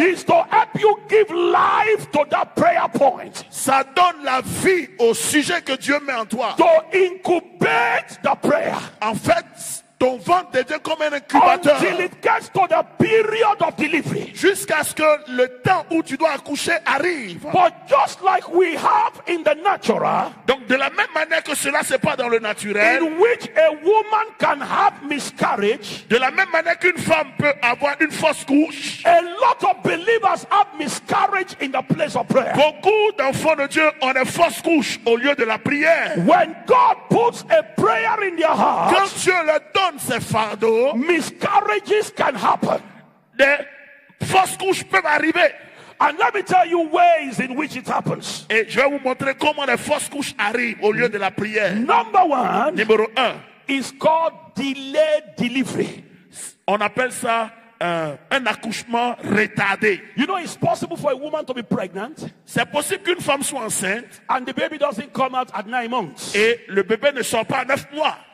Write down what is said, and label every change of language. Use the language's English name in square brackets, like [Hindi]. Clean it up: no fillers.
[English] is to help you give life to that prayer point. [French] Ça donne la vie au sujet que Dieu met en toi. [English] To incubate the prayer. [French] En fait, ton ventre devient comme un incubateur. [English] Until it gets to the period of delivery. [French] Jusqu'à ce que le temps où tu dois accoucher arrive. [English] But just like we have in the natural, [French] donc de la même manière que cela se passe dans le naturel, [English] in which a woman can have miscarriage, [French] de la même manière qu'une femme peut avoir une fausse couche, [English] a lot of believers have miscarriage in the place of prayer. [French] Beaucoup d'enfants de Dieu ont une fausse couche au lieu de la prière. [English] When God puts a prayer in your heart, [French] quand Dieu le ces fardeaux, [English] miscarriages can happen. [French] Des fausses couches peuvent arriver. [English] And let me tell you ways in which it happens. [French] Et je vais vous montrer comment les fausses couches arrivent au lieu de la prière. [English] Number one, [French] numéro un, [English] is called delayed delivery. [French] On appelle ça un accouchement retardé. [English] You know, it's possible for a woman to be pregnant. [French] C'est possible qu'une femme soit enceinte. [English] And the baby doesn't come out at 9 months. [French] Et le bébé ne sort pas à 9 mois.